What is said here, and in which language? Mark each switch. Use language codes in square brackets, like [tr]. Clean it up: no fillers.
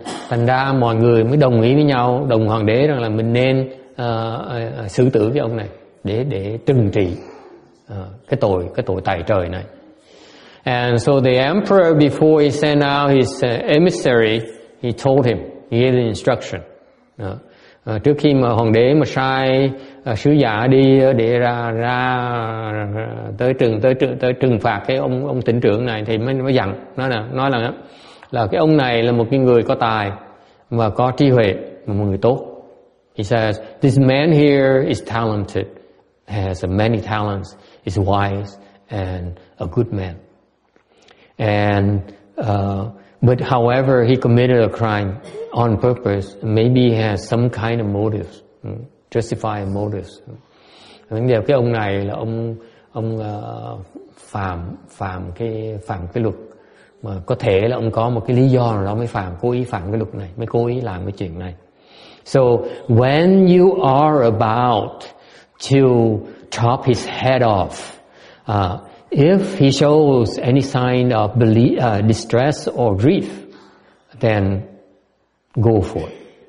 [vi] Thành ra mọi người mới đồng ý với nhau, đồng hoàng đế rằng là mình nên xử tử với ông này để trừng trị cái tội tài trời này. [en] And so the emperor, before he sent out his emissary, he told him, he gave the instruction. [vi] Trước khi mà hoàng đế mà sai sứ giả đi để ra tới trừng phạt cái ông tỉnh trưởng này, thì mới dặn nói là cái ông này là một cái người có tài và có trí huệ, một người tốt. [en] He says, this man here is talented, has many talents, is wise and a good man. And but however, he committed a crime on purpose. Maybe he has some kind of motives, justified motives. [vi] Nhưng điều cái ông này là ông phạm cái luật, mà có thể là ông có một cái lý do nào đó mới phạm, cố ý phạm cái luật này, mới cố ý làm cái chuyện này. [en] So when you are about to chop his head off, if he shows any sign of distress or grief, then go for it.